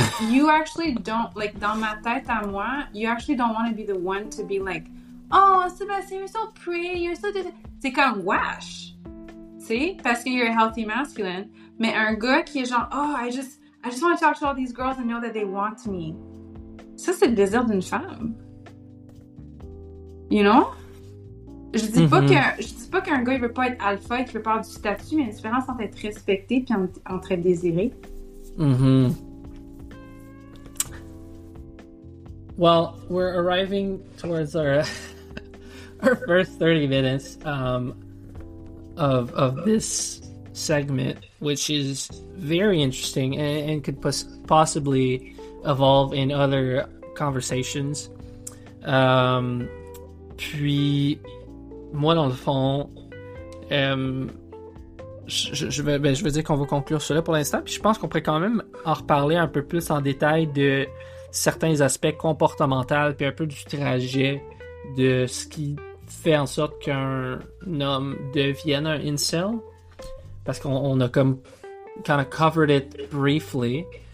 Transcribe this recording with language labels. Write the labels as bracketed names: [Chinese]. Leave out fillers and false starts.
[English] You actually don't, like, [French] dans ma tête à moi, [English] you actually don't want to be the one to be like, oh, Sébastien, you're so pretty, you're so... [French] C'est comme, wesh. [English] See? [French] Parce que [English] you're a healthy masculine. [French] Mais un gars qui est genre, [English] oh, I just want to talk to all these girls and know that they want me. [French] Ça, c'est le désir d'une femme. [English] You know? [French] Je dis pas qu'un gars, il veut pas être alpha, il veut pas avoir du statut, mais il y a une différence entre être respecté et entre être désiré. Mm-hmm. [English] Well, we're arriving towards our first 30 minutes of this segment, which is very interesting and could possibly evolve in other conversations. [French] Puis moi, dans le fond, je veux dire qu'on va conclure cela pour l'instant, puis je pense qu'on pourrait quand même en reparler un peu plus en détail de certains aspects comportementaux puis un peu du trajet de ce qui fait en sorte qu'un homme devienne un incel, parce qu'on a comme [English] kind of covered it briefly.